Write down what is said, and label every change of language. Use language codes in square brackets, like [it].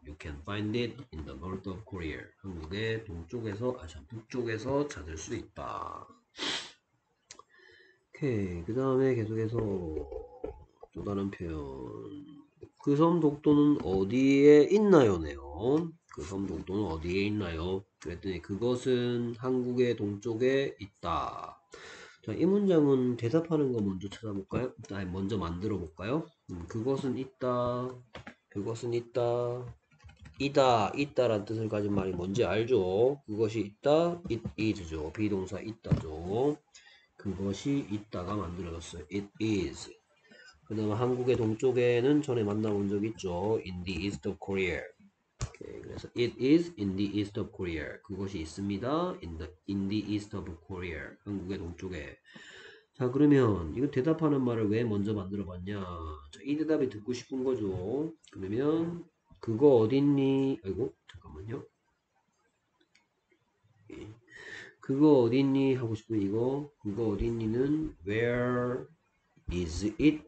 [en] You can find it in the north of Korea. [ko] 한국의 동쪽에서, 아, 북쪽에서 찾을 수 있다. 오케이. 그 다음에 계속해서. 또 다른 표현. 그섬 독도는 어디에 있나요네요? 그섬 독도는 어디에 있나요? 그랬더니 그것은 한국의 동쪽에 있다. 자, 이 문장은 대답하는 거 먼저 찾아볼까요? 아니, 먼저 만들어 볼까요? 그것은 있다. 그것은 있다. 이다, 있다란 뜻을 가진 말이 뭔지 알죠? 그것이 있다, is죠. 비동사 있다죠. 그것이 있다가 만들어졌어요. [en] It is. [ko] 그 다음에 한국의 동쪽에는 전에 만나본 적 있죠. [en] In the east of Korea. Okay, [ko] 그래서 [en] it is in the east of Korea. [ko] 그것이 있습니다. [en] In the east of Korea. [ko] 한국의 동쪽에. 자, 그러면 이거 대답하는 말을 왜 먼저 만들어 봤냐? 자, 이 대답이 듣고 싶은 거죠. 그러면 그거 어딨니? 아이고, 잠깐만요. 그거 어딨니? 하고 싶은 이거. 그거 어딨니는 [en] where? Is it?